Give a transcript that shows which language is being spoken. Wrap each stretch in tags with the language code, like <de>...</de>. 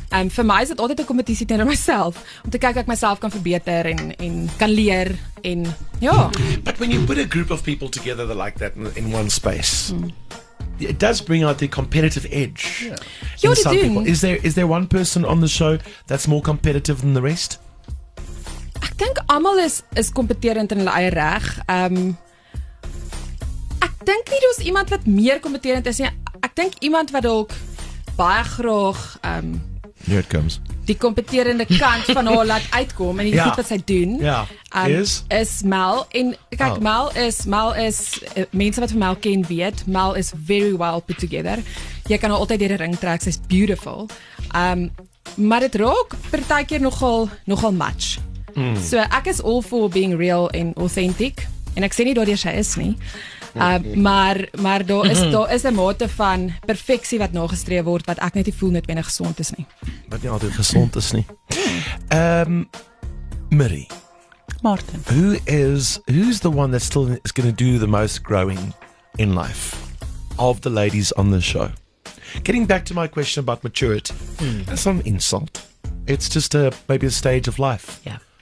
<af>Vir my is dit altyd 'n kompetisie teenoor myself om te kyk ek myself kan verbeter en kan leer en ja.</af> <en>But when you put a group of people together like that in one space, it does bring out the competitive edge. Yeah. In some people. Is there one person on the show that's more competitive than the rest?</en> <af>Ek dink almal is kompeterend in hulle eie reg. Ek dink nie daar's iemand wat meer kompeterend is nie. Ek dink iemand wat dalk baie graag</af> <en>here it comes.</en> <af>Die kompeterende kant van haar laat uitkom en die goed wat sy doen. Ja. Is Mel en kyk Mel is mense wat vir Mel ken weet, Mel is</af> <en>very well put together.</en> <af>Jy kan haar altyd deur die ring trek. Sy's beautiful. Maar dit raak partykeer nogal much. Mm. So ek is</af> <en>all for being real and authentic</en> <af>en ek sê nie daardie sy is nie. Maar daar is 'n mate van perfeksie wat nagestreef word wat ek net nie voel net wenig gesond is nie. Wat nie altyd gesond is nie. Marie. Martin.</af> <en>Who's the one that still is going to do the most growing in life of the ladies on the show? Getting back to my question about maturity. Mm. That's not an insult. It's just maybe a stage of life. Yeah.</en>